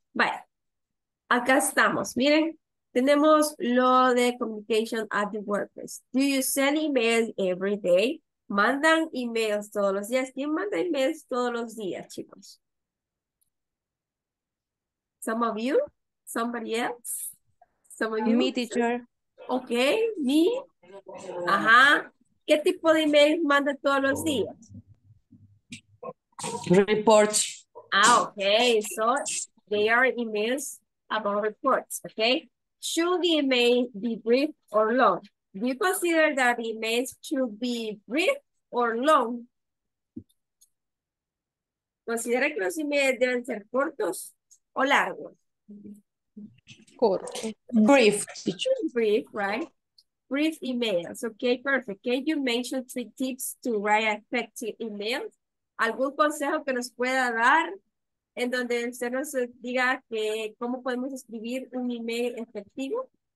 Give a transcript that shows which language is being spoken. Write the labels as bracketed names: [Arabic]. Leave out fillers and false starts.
[Spanish] Vaya, acá estamos, miren, tenemos lo de [English] communication at the workplace. Do you send emails every day? [Spanish] ¿Mandan emails todos los días? ¿Quién manda emails todos los días, chicos? [English] Some of you, somebody else, some of you. Me, teacher. Okay, me. Ajá. [Spanish] ¿Qué tipo de email manda todos los días? [English] Reports. Ah, okay. So they are emails about reports. Okay. Should the email be brief or long? Do you consider that emails should be brief or long? [Spanish] ¿Considera que los emails deben ser cortos o largo? Corto. [English] Brief. Brief, right? Brief emails. Okay, perfect. Can you mention 3 tips to write effective emails? [Spanish] ¿Algún consejo que nos pueda dar en donde usted nos diga que cómo podemos escribir un email efectivo?